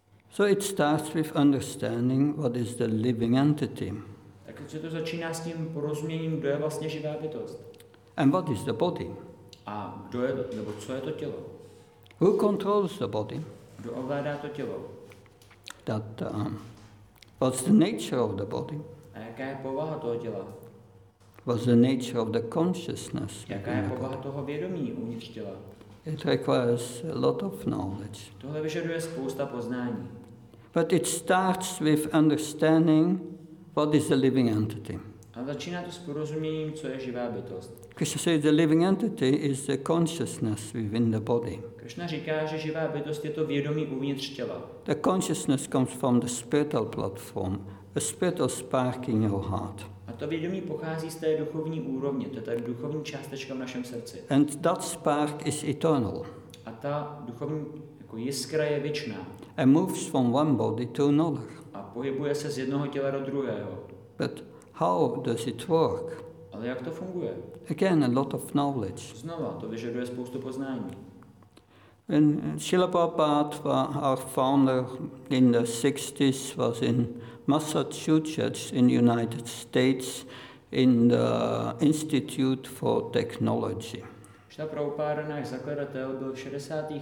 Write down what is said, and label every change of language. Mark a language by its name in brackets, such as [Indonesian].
[English] So it starts with understanding what is the living entity. [Czech] Tak se to začíná s tím porozuměním, kdo je vlastně živá bytost. [English] And what is the body? [Czech] A kdo je, nebo co je to tělo? [English] Who controls the body? [Czech] Kdo ovládá to tělo? [English] What's the nature of the body? [Czech] A jaká je povaha toho těla? [English] What's the nature of the consciousness? [Czech] Jaká je povaha toho vědomí uvnitř těla? [English] It requires a lot of knowledge. [Czech] Tohle vyžaduje spousta poznání. [English] But it starts with understanding what is the living entity. [Czech] A začíná to s porozuměním, co je živá bytost. [English] Krishna says the living entity is the consciousness within the body. [Czech] Krishna říká, že živá bytost je to vědomí uvnitř těla. [English] The consciousness comes from the spiritual platform, a spiritual spark in your heart. [Czech] A to vědomí pochází z té duchovní úrovně, to je ta duchovní částečka v našem srdci. [English] And that spark is eternal. [Czech] A ta duchovní jako jiskra je věčná. [English] And moves from one body to another. [Czech] A pohybuje se z jednoho těla do druhého. [English] But how does it work? [Czech] Ale jak to funguje? [English] Again, a lot of knowledge. [Czech] Znova, to vyžaduje spoustu poznání. [English] And Srila Prabhupada, our founder in the 60s, was in Massachusetts in the United States in the Institute for Technology. [Czech] Srila Prabhupada, náš zakladatel, byl v 60.